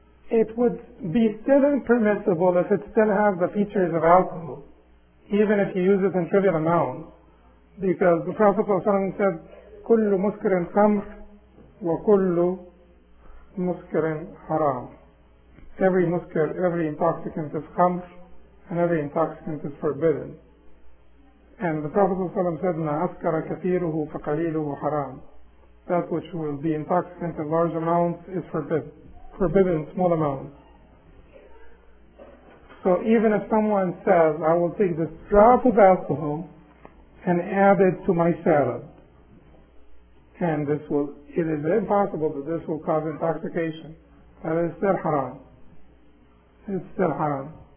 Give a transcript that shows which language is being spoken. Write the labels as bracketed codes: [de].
[en] It would be still impermissible if it still has the features of alcohol, even if you use it in trivial amounts, because the Prophet said, [ar] كل مسكر خمر وكل مسكر حرام. [en] Every مسكر, every intoxicant is خمر, and every intoxicant is forbidden. And the Prophet said, [ar] ما أسكر كثيره فقليله حرام. [en] That which will be intoxicant in large amounts is forbidden. Forbidden small amounts. So even if someone says, I will take this drop of alcohol and add it to my salad, and this will, it is impossible that this will cause intoxication, that is still haram. It's still haram.